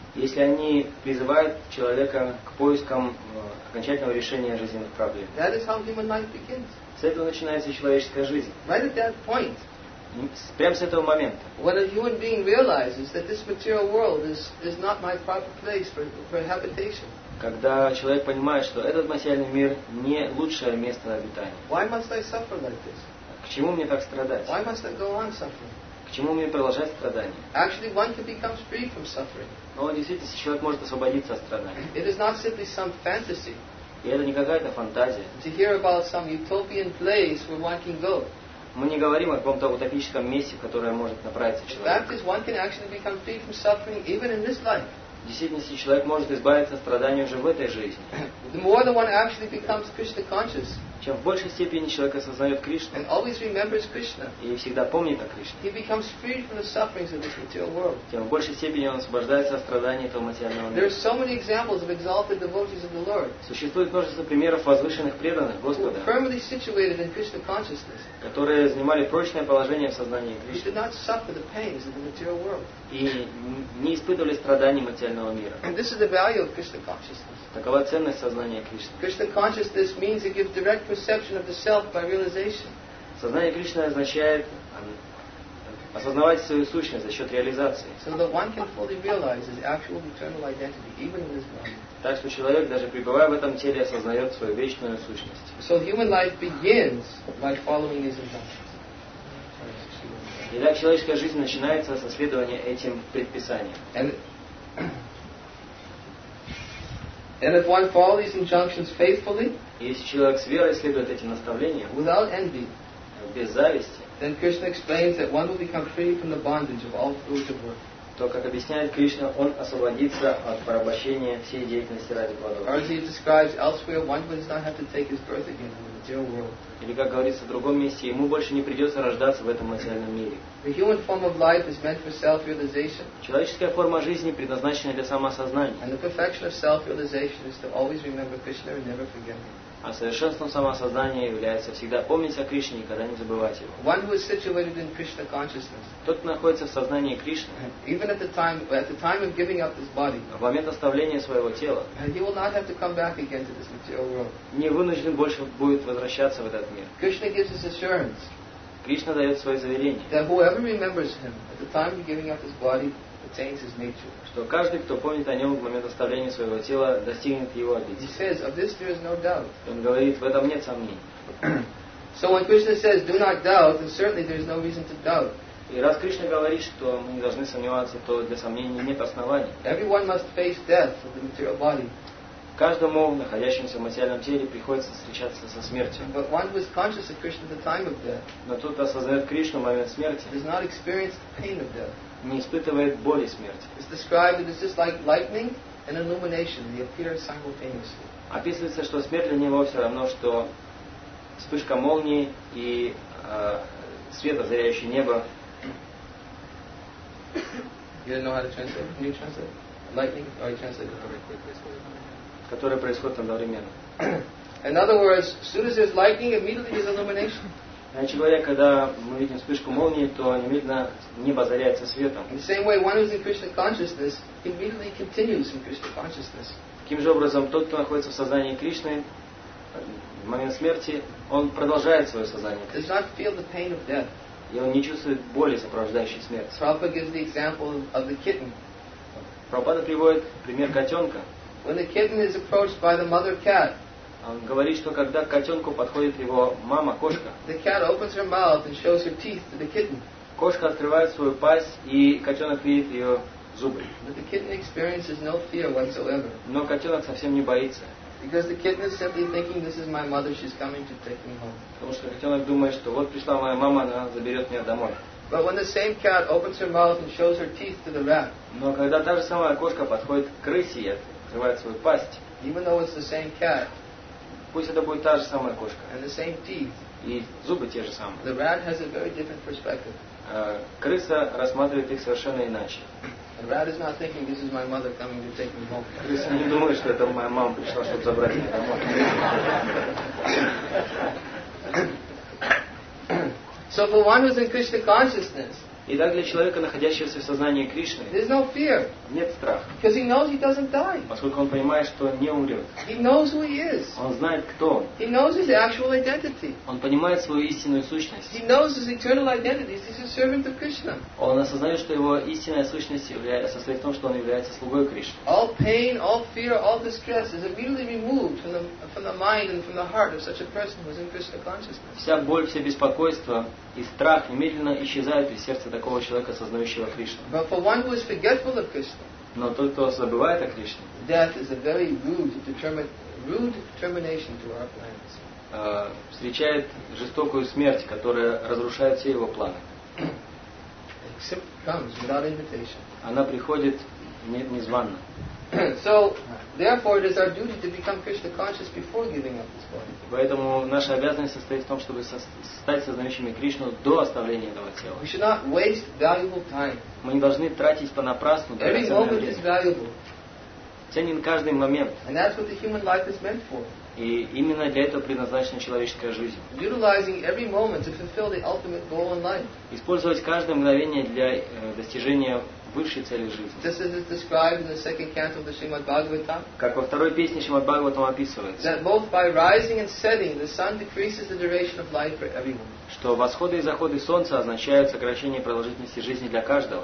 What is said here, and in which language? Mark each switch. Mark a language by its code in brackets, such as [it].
[ru] Если они призывают человека к поискам окончательного решения жизненных проблем. [en] That is how human life begins. [ru] С этого начинается человеческая жизнь. [en] Right at that point. [ru] Прямо с этого момента. [en] When a human being realizes that this material world is not my proper place for habitation. [ru] Когда человек понимает, что этот материальный мир не лучшее место обитания. [en] Why must I suffer like this? [ru] К чему мне так страдать? [en] Why must I go on suffering? [ru] К чему мне продолжать страдания? [en] Actually, one can become free from suffering. [ru] Но действительно, человек может освободиться от страданий. [en] It is not simply some fantasy. [ru] И это не какая-то фантазия. [en] To hear about some utopian place where one can go. [ru] Мы не говорим о каком-то утопическом месте, в которое может направиться человек. [en] In fact, is one can actually become free from suffering even in this life. [ru] В действительности, человек может избавиться от страданий уже в этой жизни. [en] The more that one actually becomes Krishna conscious. [ru] Чем в большей степени человек осознает Кришну. [en] And always remembers Krishna. [ru] И всегда помнит о Кришне. [en] He becomes free from the sufferings of this material world. [ru] Тем в большей степени он освобождается от страданий этого материального мира. [en] There are so many examples of exalted devotees of the Lord. [ru] Существует множество примеров возвышенных преданных Господа. [en] Who were firmly situated in Krishna consciousness. [ru] Которые занимали прочное положение в сознании Кришны. [en] Who did not suffer the pains of the material world. [ru] И не испытывали страданий материального мира. [en] And this is the value of Krishna consciousness. [ru] Такова ценность сознания Кришны. [en] Krishna consciousness means it gives direct perception of the self by realization. [ru] Сознание Кришны означает осознавать свою сущность за счет реализации. [en] So that one can fully realize his actual eternal identity, even in this body. [ru] Так что человек, даже пребывая в этом теле, осознает свою вечную сущность. [en] So human life begins by following his instructions. [ru] Итак, человеческая жизнь начинается со следования этим предписаниям. [en] And if one follows these injunctions faithfully, [ru] если человек с верой следует этим наставлениям, [en] without envy, [ru] без зависти, [en] then Krishna explains that one will become free from the bondage of all fruits of work. [ru] То, как объясняет Кришна, он освободится от порабощения всей деятельности ради плодов. [en] As he describes elsewhere, one does not have to take his birth again in the material world. [ru] Или, как говорится в другом месте, ему больше не придется рождаться в этом материальном мире. [en] The human form of life is meant for self-realization. [ru] Человеческая форма жизни предназначена для самосознания. [en] And the perfection of self-realization is to always remember Krishna and never forget him. [ru] А совершенством самосознания является всегда помнить о Кришне и никогда не забывать его. [en] One who is situated in Krishna consciousness. [ru] Тот, кто находится в сознании Кришны. [en] Even at the time of giving up this body. [ru] В момент оставления своего тела. [en] He will not have to come back again to this material world. [ru] Не вынужден больше будет возвращаться в этот мир. [en] Krishna gives his assurance. [ru] Кришна дает свое заверение. [en] That whoever remembers him at the time of giving up his body attains his nature. [ru] Что каждый, кто помнит о нем в момент оставления своего тела, достигнет его обители. [en] He says, of this there is no doubt. [ru] Он говорит, в этом нет сомнений. [en] So when Krishna says, do not doubt, then certainly there is no reason to doubt. [ru] И раз Кришна говорит, что мы не должны сомневаться, то для сомнений нет оснований. [en] Everyone must face death of the material body. [ru] Каждому, находящемуся в материальном теле, приходится встречаться со смертью. [en] But one who is conscious of Krishna at the time of death, [ru] но тот, кто осознает Кришну в момент смерти, [en] does not experience the pain of death. [ru] Не испытывает боли смерти. [en] It's described that it's just like lightning and illumination. They appear simultaneously. [ru] Описывается, что смерть для него все равно, что вспышка молнии и свет, озаряющий небо. [en] You don't know how to translate? Can you translate? Lightning? Or you translate it correctly? [ru] Которые происходят одновременно. [en] In other words, as soon as there's lightning, immediately there's illumination. [ru] Иначе говоря, когда мы видим вспышку молнии, то немедленно небо озаряется светом. [en] In the same way, one who's in Krishna consciousness immediately continues in Krishna consciousness. [ru] Таким же образом, тот, кто находится в сознании Кришны в момент смерти, он продолжает свое сознание. [en] Does not feel the pain of death. [ru] И он не чувствует боли, сопровождающей смерть. [en] Prabhupada gives the example of the kitten. [ru] Прабхупада приводит пример котенка. [en] When the kitten is approached by the mother cat, [ru] он говорит, что когда к котенку подходит его мама, кошка, [en] the cat opens her mouth and shows her teeth to the kitten. [ru] Кошка открывает свою пасть, и котенок видит ее зубы. [en] But the kitten experiences no fear whatsoever. [ru] Но котенок совсем не боится. [en] Because the kitten is simply thinking, this is my mother, she's coming to take me home. [ru] Потому что котенок думает, что вот пришла моя мама, она заберет меня домой. [en] But when the same cat opens her mouth and shows her teeth to the rat, [ru] но когда та же самая кошка подходит к крысе, открывает свою пасть, [en] even though it's the same cat, [ru] пусть это будет та же самая кошка, [en] and the same teeth, [ru] и зубы те же самые, [en] the rat has a very different perspective. [ru] Крыса рассматривает их совершенно иначе. [en] The rat is not thinking, this is my mother coming to take me home. [ru] Крыса не думает, что это моя мама пришла, чтобы забрать меня домой. [en] So for one who's in Krishna consciousness, [ru] итак, для человека, находящегося в сознании Кришны, [en] there's no fear, [ru] нет страха, [en] because he knows he doesn't die. [ru] Поскольку он понимает, что не умрет. [en] He knows who he is. [ru] Он знает, кто он. [en] He knows his actual identity. [ru] Он понимает свою истинную сущность. [en] He knows his eternal identity. He's a servant of Krishna. [ru] Он осознает, что его истинная сущность состоит в том, что он является слугой Кришны. [en] All pain, all fear, all distress is immediately removed from the mind and from the heart of such a person who's in Krishna consciousness. [ru] Вся боль, все беспокойства и страх немедленно исчезают из сердца такого человека, сознающего Кришну. [en] But for one who is forgetful of Krishna, [ru] но тот, кто забывает о Кришне, [en] death is a very rude termination to our plans. [ru] Встречает жестокую смерть, которая разрушает все его планы. [en] Except comes without invitation. [ru] Она приходит незванно. [en] So, therefore, it is our duty to become Krishna conscious before giving up this body. [ru] Поэтому наша обязанность состоит в том, чтобы стать сознающими Кришну до оставления этого тела. [en] We should not waste valuable time. [ru] Мы не должны тратить понапрасну. [en] Every moment is valuable. [ru] Ценен каждый момент. [en] And that's what the human life is meant for. [ru] И именно для этого предназначена человеческая жизнь. [en] Utilizing every moment to fulfill the ultimate goal in life. [ru] Использовать каждое мгновение для достижения высшей цели жизни. [en] This is described in the second canto of the Srimad Bhagavatam. [ru] Как во второй песне Шримад Бхагаватам описывается. [en] That both by rising and setting, the sun decreases the duration of life for everyone. [ru] Что восходы и заходы солнца означают сокращение продолжительности жизни для каждого.